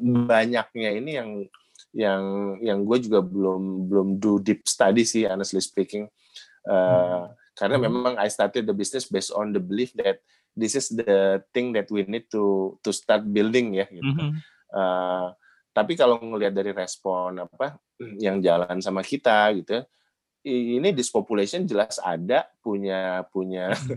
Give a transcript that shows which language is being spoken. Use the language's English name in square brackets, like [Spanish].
[Indonesian] Banyaknya ini yang gue juga belum [English] do deep study [Indonesian] sih, [English] honestly speaking. [Indonesian] Karena memang [English] I started the business based on the belief that this is the thing that we need to start building ya. [Indonesian] Gitu. Tapi kalau ngelihat dari respon apa yang jalan sama kita gitu, ini [English] this population [Indonesian] jelas ada punya